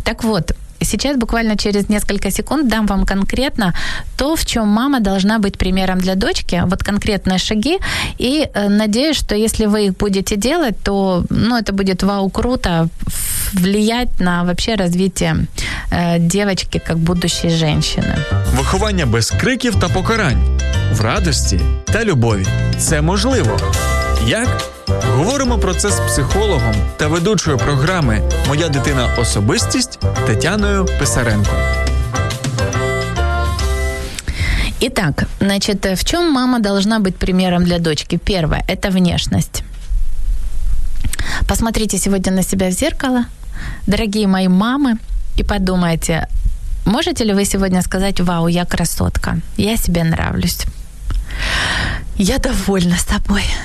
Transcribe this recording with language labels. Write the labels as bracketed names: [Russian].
[Russian] Так вот, сейчас буквально через несколько секунд дам вам конкретно то, в чем мама должна быть примером для дочки, вот конкретные шаги, и надеюсь, что если вы их будете делать, то ну, это будет вау, круто влиять на вообще развитие девочки как будущей женщины. [Ukrainian] Виховання без криків та покарань, в радості та любові. Це можливо. Як? Говоримо про це з психологом та ведучою програми «Моя дитина – особистість» Тетяною Писаренко. [Russian] Итак, значит, в чем мама должна быть примером для дочки? Первое – это внешность. Посмотрите сегодня на себя в зеркало, дорогие мои мамы, и подумайте, можете ли вы сегодня сказать: «Вау, я красотка, я себе нравлюсь, я довольна собой».